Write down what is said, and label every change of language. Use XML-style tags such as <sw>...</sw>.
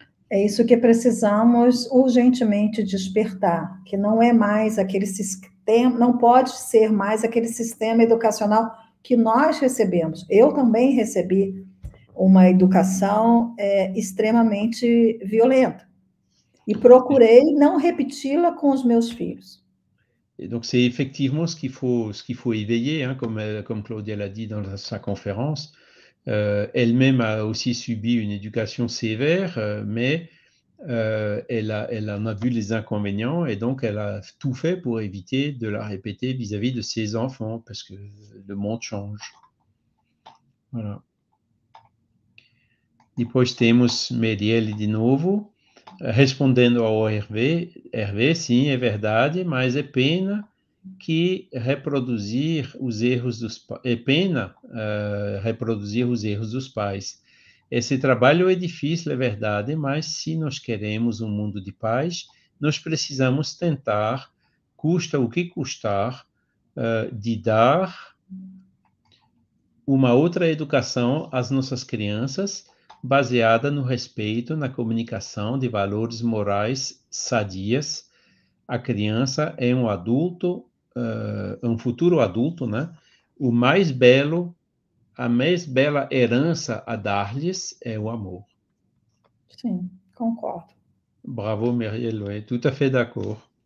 <pt>É isso que precisamos urgentemente despertar, que não é mais aquele sistema, não pode ser mais aquele sistema educacional que nós recebemos. Eu também recebi uma educação extremamente violenta e procurei não repeti-la com os meus filhos.</pt> <fr>Et donc c'est effectivement ce qu'il faut éveiller, hein, comme Claudia l'a dit dans sa conférence. Elle-même a aussi subi une éducation sévère, mais elle en a vu les inconvénients et donc elle a tout fait pour éviter de la répéter vis-à-vis de ses enfants, parce que le monde change. Voilà.</fr> <pt>Depois temos Meriel de novo. Respondendo ao Hervé, sim, é verdade, mas é pena que reproduzir os erros dos é pena reproduzir os erros dos pais. Esse trabalho é difícil, é verdade, mas se nós queremos um mundo de paz, nós precisamos tentar, custa o que custar, de dar uma outra educação às nossas crianças, baseada no respeito, na comunicação de valores morais sadias. A criança é um adulto, um futuro adulto, né? O mais belo, a mais bela herança a dar-lhes é o amor. Sim, concordo.</pt> <fr>Bravo, Merielo, é tout à fait d'accord.</fr>